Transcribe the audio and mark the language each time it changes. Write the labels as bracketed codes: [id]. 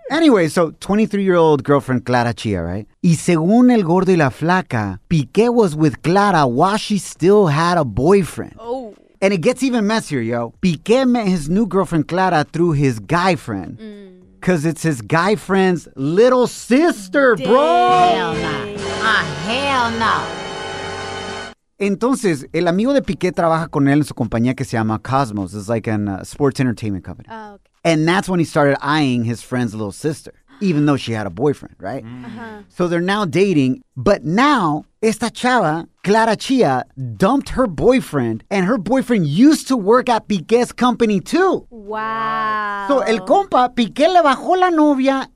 [en] Anyway, so 23-year-old girlfriend Clara Chia, right? [es] Y según el gordo y la flaca, [en] Piqué was with Clara while she still had a boyfriend. Oh. And it gets even messier, yo. Piqué met his new girlfriend Clara through his guy friend. Because it's his guy friend's little sister, bro. Hell no. Hell no. [es] Entonces, el amigo de Piqué trabaja con él en su compañía que se llama Cosmos. [en] It's like a sports entertainment company. Oh, okay. And that's when he started eyeing his friend's little sister, even though she had a boyfriend, right? Uh-huh. So they're now dating. But now, [es] esta chava, [en] Clara Chia, dumped her boyfriend. And her boyfriend used to work at Piqué's company, too. Wow. [es] So el compa, Piqué le bajó la novia.